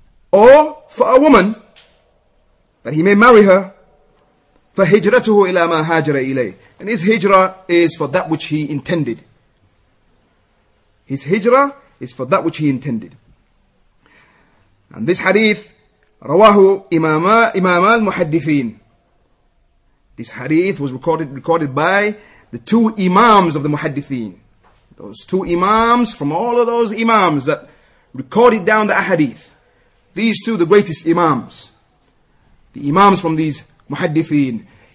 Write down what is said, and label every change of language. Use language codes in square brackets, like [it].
[en] Or for a woman, that he may marry her, [ar] فَهِجْرَتُهُ إِلَى مَا هَاجَرَ إِلَيْهِ. [en] And his hijrah is for that which he intended. His hijrah is for that which he intended. And this hadith, [ar] رواه إمام المحدثين. [en] This hadith was recorded by the two imams of the muhaddithin. Those two imams from all of those imams that recorded down the ahadith. These two, the greatest imams. The imams from these muhaddithin.